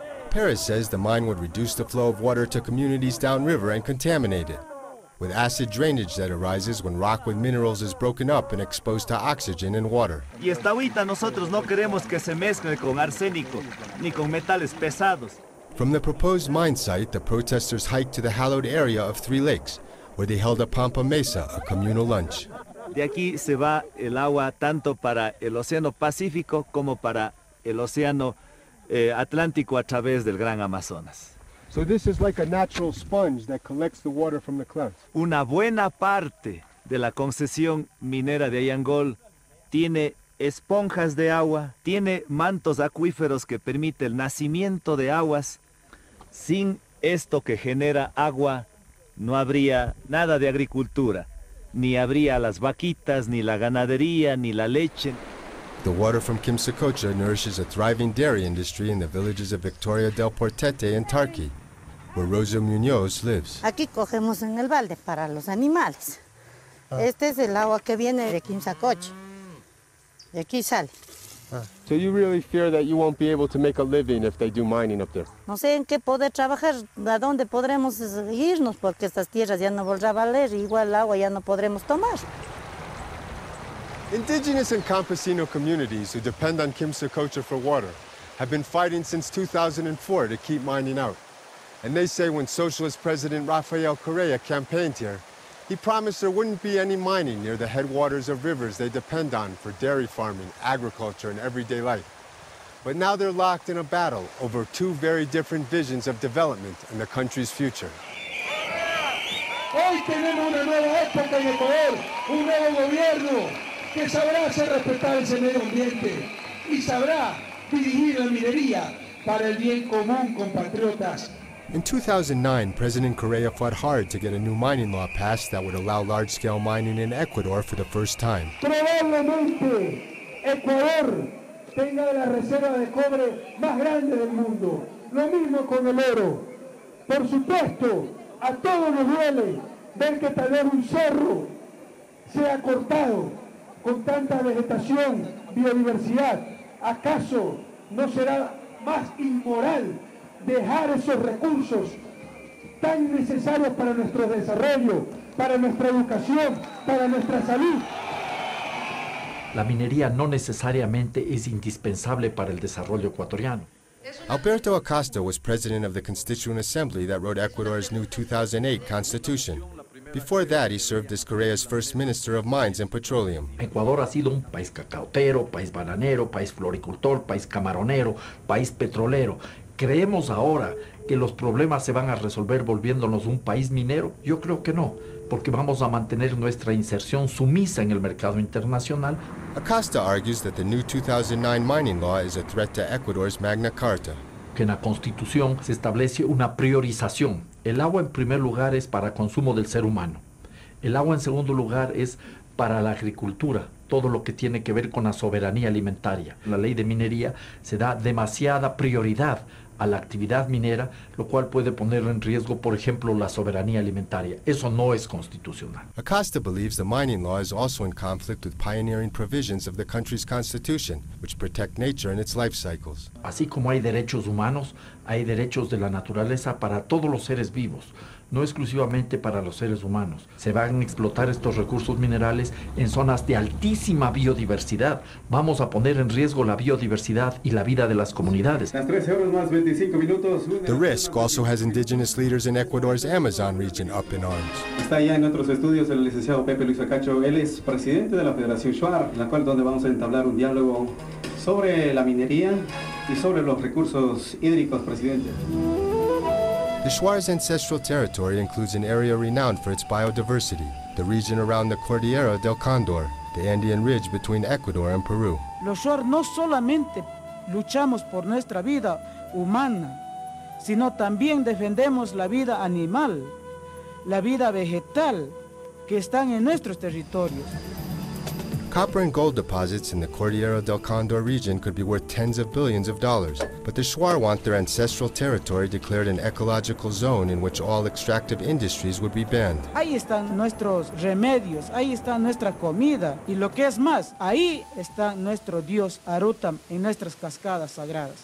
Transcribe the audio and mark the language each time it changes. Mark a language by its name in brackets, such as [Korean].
[English] Perez says the mine would reduce the flow of water to communities downriver and contaminate it, with acid drainage that arises when rock with minerals is broken up and exposed to oxygen and water. [Spanish] Y esta agüita nosotros no queremos que se mezcle con arsénico ni con metales pesados. [English] From the proposed mine site, the protesters hiked to the hallowed area of Three Lakes, where they held a pampa mesa, a communal lunch. [Spanish] De aquí se va el agua tanto para el océano Pacífico como para el océano Atlántico a través del Gran Amazonas. [English] So this is like a natural sponge that collects the water from the clouds. [Spanish] Una buena parte de la concesión minera de Ayangol tiene esponjas de agua, tiene mantos acuíferos que permite el nacimiento de aguas. Sin esto que genera agua, no habría nada de agricultura, ni habría las vaquitas, ni la ganadería, ni la leche. [English] The water from Quimsacocha nourishes a thriving dairy industry in the villages of Victoria del Portete and Tarqui, where Rosa Muñoz lives. [Spanish] Aquí cogemos en el balde para los animales. Este es el agua que viene de Quimsacocha. De aquí sale. [English] So you really fear that you won't be able to make a living if they do mining up there? [Spanish] No sé en qué poder trabajar, a dónde podremos irnos, porque estas tierras ya no volverá a valer, igual el agua ya no podremos tomar. [English] Indigenous and campesino communities who depend on Quimsacocha for water have been fighting since 2004 to keep mining out. And they say when socialist President Rafael Correa campaigned here, he promised there wouldn't be any mining near the headwaters of rivers they depend on for dairy farming, agriculture, and everyday life. But now they're locked in a battle over two very different visions of development and the country's future. [Spanish] Hoy tenemos una nueva época en Ecuador, un nuevo gobierno que sabrá hacer respetar ese medio ambiente y sabrá dirigir la minería para el bien común, compatriotas. [English] In 2009, President Correa fought hard to get a new mining law passed that would allow large-scale mining in Ecuador for the first time. [Spanish] Probablemente, Ecuador tenga la reserva de cobre más grande del mundo. Lo mismo con el oro. Por supuesto, a todos nos duele ver que tal vez un cerro sea cortado con tanta vegetación, biodiversidad. ¿Acaso no será más inmoral dejar esos recursos tan necesarios para nuestro desarrollo, para nuestra educación, para nuestra salud? La minería no necesariamente es indispensable para el desarrollo ecuatoriano. [English] Alberto Acosta was president of the Constituent Assembly that wrote Ecuador's new 2008 constitution. Before that, he served as Korea's first minister of mines and petroleum. [Spanish] Ecuador ha sido un país cacaotero, país bananero, país floricultor, país camaronero, país petrolero. ¿Creemos ahora que los problemas se van a resolver volviéndonos un país minero? Yo creo que no, porque vamos a mantener nuestra inserción sumisa en el mercado internacional. [English] Acosta argues that the new 2009 mining law is a threat to Ecuador's Magna Carta. [Spanish] Que en la Constitución se establece una priorización. El agua en primer lugar es para consumo del ser humano. El agua en segundo lugar es para la agricultura, todo lo que tiene que ver con la soberanía alimentaria. La ley de minería se da demasiada prioridad a la actividad minera, lo cual puede poner en riesgo, por ejemplo, la soberanía alimentaria. Eso no es constitucional. [English] Acosta believes the mining law is also in conflict with pioneering provisions of the country's constitution, which protect nature and its life cycles. [Spanish] Así como hay derechos humanos, hay derechos de la naturaleza para todos los seres vivos, no exclusivamente para los seres humanos. Se van a explotar estos recursos minerales en zonas de altísima biodiversidad. Vamos a poner en riesgo la biodiversidad y la vida de las comunidades. Las 13 horas más 25 minutos. [English] The risk also has indigenous leaders in Ecuador's Amazon region up in arms. [Spanish] Está ya en nuestros estudios el licenciado Pepe Luis Acacho. Él es presidente de la Federación Shuar, en la cual donde vamos a entablar un diálogo sobre la minería y sobre los recursos hídricos, presidente. [English] The Shuar's ancestral territory includes an area renowned for its biodiversity, the region around the Cordillera del Cóndor, the Andean ridge between Ecuador and Peru. [Spanish] Los Shuar no solamente luchamos por nuestra vida humana, sino también defendemos la vida animal, la vida vegetal que están en nuestros territorios. [English] Copper and gold deposits in the Cordillera del Cóndor region could be worth tens of billions of dollars, but the Shuar want their ancestral territory declared an ecological zone in which all extractive industries would be banned. [Spanish] Ahí están nuestros remedios, ahí está nuestra comida, y lo que es más, ahí está nuestro dios Arutam en nuestras cascadas sagradas.